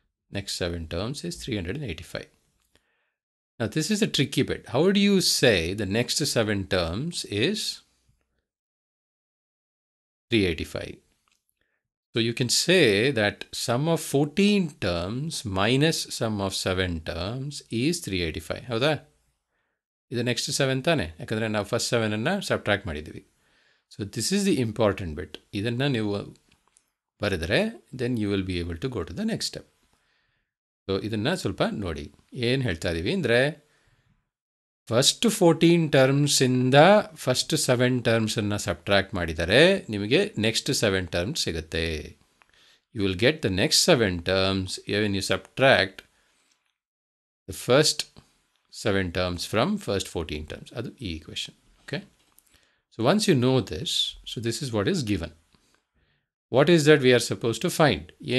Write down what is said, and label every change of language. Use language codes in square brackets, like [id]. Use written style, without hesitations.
[en] Next 7 terms is 385. Now this is a tricky bit. How do you say the next 7 terms is 385? So you can say that sum of 14 terms minus sum of 7 terms is 385. How the? [kn] ಇದು next 7 ತಾನೇ, ಯಾಕಂದರೆ ನಾವು first 7 ಅನ್ನು subtract ಮಾಡಿದ್ದೀವಿ. [en] So this is the important bit. [kn] ಇದನ್ನು ನೀವು ಬರೆದರೆ [en] Then you will be able to go to the next step. [kn] So ಇದನ್ನು ಸ್ವಲ್ಪ ನೋಡಿ, ಏನು ಹೇಳ್ತಾ ಇದ್ದೀವಿ ಅಂದರೆ ಫಸ್ಟ್ 14 ಟರ್ಮ್ಸಿಂದ ಫಸ್ಟ್ 7 ಟರ್ಮ್ಸನ್ನು ಸಬ್ಟ್ರಾಕ್ಟ್ ಮಾಡಿದರೆ ನಿಮಗೆ ನೆಕ್ಸ್ಟ್ 7 ಟರ್ಮ್ಸ್ ಸಿಗುತ್ತೆ. [en] You will get the next 7 terms even you subtract the first 7 terms from first 14 terms. That's the equation. Okay? So once you know this, so this is what is given. What is that we are supposed to find?